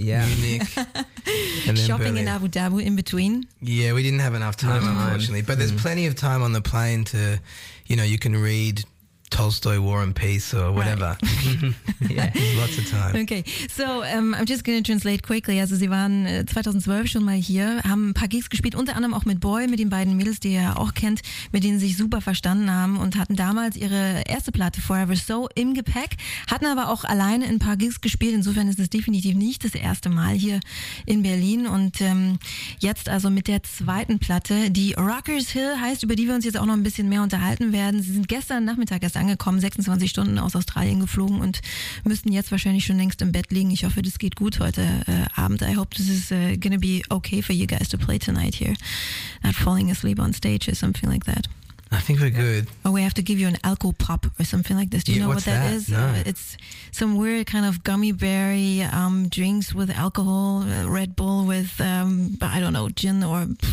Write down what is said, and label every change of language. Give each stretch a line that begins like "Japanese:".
English: Munich. And then shopping Berlin. In Abu Dhabi in between? Yeah, we didn't have enough time, unfortunately. But there's plenty of time on the plane to, you know, you can read Tolstoy, War and Peace, or whatever. Right. Lots of time. Okay, so I'm just going to translate quickly.
German: Also sie waren 2012 schon mal hier, haben ein paar Gigs gespielt, unter anderem auch mit Boy, mit den beiden Mädels, die ihr auch kennt, mit denen sie sich super verstanden haben, und hatten damals ihre erste Platte, Forever So, im Gepäck, hatten aber auch alleine ein paar Gigs gespielt. Insofern ist es definitiv nicht das erste Mal hier in Berlin. Und jetzt also mit der zweiten Platte, die Rockers Hill heißt, über die wir uns jetzt auch noch ein bisschen mehr unterhalten werden. Sie sind gestern Nachmittag erst angekommen, 26 Stunden aus Australien geflogen und müssten jetzt wahrscheinlich schon längst im Bett liegen. Ich hoffe, das geht gut heute Abend.
English: I hope this is gonna be okay for you guys to play tonight here. Not falling asleep on stage or something like that. I think we're good. Oh, we have to give you an alcohol pop or something like this. Do you know what that is? No. It's some weird kind of gummy berry drinks with alcohol, Red Bull with, I don't know, gin or...